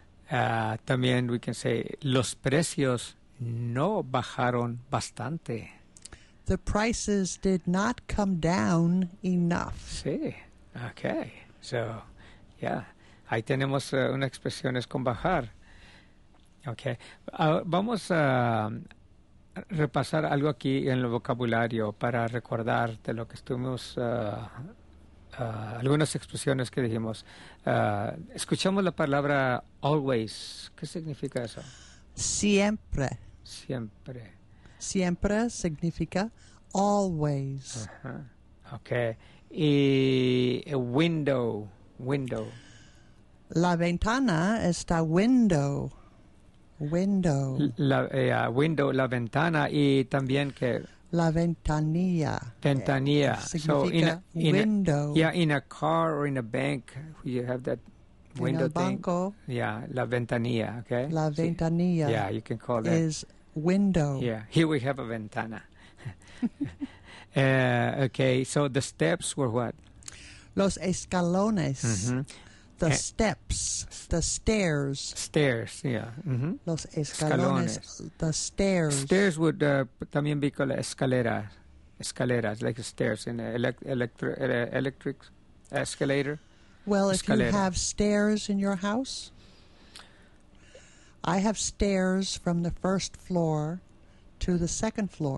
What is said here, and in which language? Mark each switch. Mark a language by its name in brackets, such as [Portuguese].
[Spanish] También [English] we can say [Spanish] los precios no bajaron bastante. [English] The prices did not come down enough. Sí. Okay. So, yeah. [Spanish] Ahí tenemos una expresión es con bajar. Okay. Vamos a repasar algo aquí en el vocabulario para recordar de lo que estuvimos algunas expresiones que dijimos. Escuchamos la palabra always. ¿Qué significa eso? Siempre. Siempre. Siempre significa always. Uh-huh. Okay. Y window. Window. La ventana está window. Window. Window, la ventana y también que... La ventanilla. Ventanilla. Significa window. [English] In a car or in a bank, you have that window thing. [Spanish] Banco. Yeah, la ventanilla, okay? La ventanilla. [English] Yeah, you can call it. Is window. Yeah, here we have a ventana. okay, so the steps were what? [Spanish] Los escalones. Mm-hmm. [English] The steps, the stairs. Stairs, yeah. Mm-hmm. [Spanish] Los escalones, [English] the stairs. Stairs would [Spanish] también [English] be called escaleras. Escaleras, like stairs in electric escalator. Well, escalera. If you have stairs in your house, I have stairs from the first floor to the second floor.